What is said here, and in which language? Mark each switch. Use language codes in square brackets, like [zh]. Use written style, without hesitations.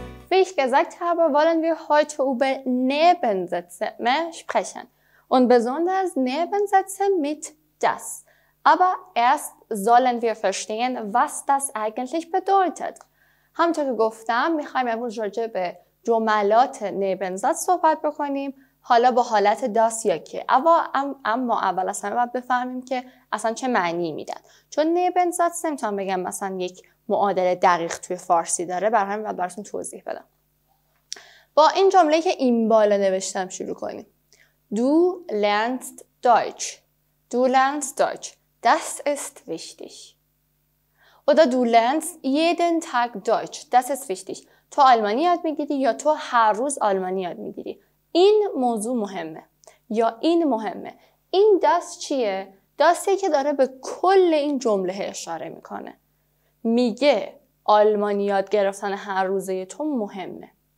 [de] Wie gesagt habe, wollen wir heute über Nebensätze mehr sprechen. Und besonders Nebensätze mit das. Aber erst sollen wir verstehen, was das eigentlich bedeutet. [fa] همطور که گفتم، میخوایم امروز راجع به جملات نبنزت صحبت بکنیم، حالا با حالت داس یا که. اما اول از همه باید بفهمیم که اصلا چه معنی میدن. چون نبنزت نمیتونم بگم مثلا یک معادله دقیق توی فارسی داره، برای همین باید براتون توضیح بدم. با این جمله که این بالا نوشتم شروع کنیم. [de] Du lernst Deutsch. Du lernst Deutsch. Das ist wichtig. Oder du lernst jeden Tag Deutsch. Das ist wichtig. [fa] تو آلمانی یاد میگیری یا تو هر روز آلمانی یاد میگیری. این موضوع مهمه. یا این مهمه. این das چیه؟ داسیه که داره به کل این جمله اشاره میکنه. میگه آلمانی یاد گرفتن هر روزه تو مهمه.